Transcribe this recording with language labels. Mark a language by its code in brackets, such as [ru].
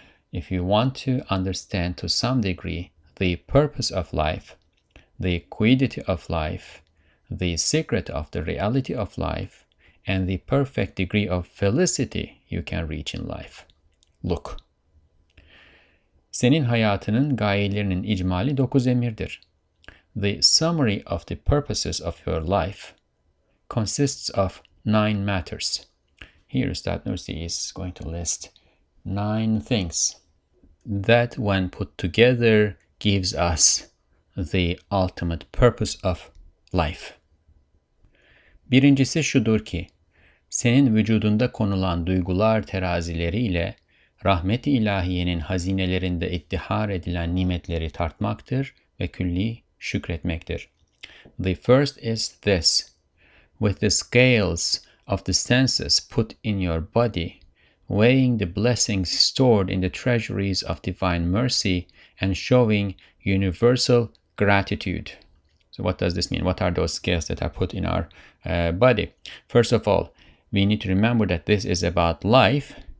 [en] If you want to understand to some degree the purpose of life, the quiddity of life, the secret of the reality of life, and the perfect degree of felicity you can reach in life, look. [tr] Senin hayatının gayelerinin icmali 9 emirdir. [en] The summary of the purposes of your life consists of 9 matters. Here Üstad Nursi is going to list 9 things that when put together gives us the ultimate purpose of life. [tr] Birincisi şudur ki, senin vücudunda konulan duygular terazileriyle rahmet-i ilahiyenin hazinelerinde ittihar edilen nimetleri tartmaktır ve külli şükretmektir. [en] The first is this. With the scales of the senses put in your body, weighing the blessings stored in the treasuries of divine mercy and showing universal gratitude. So what does this mean? What are those scales that are put in our body? First of all, we need to remember that this is about life,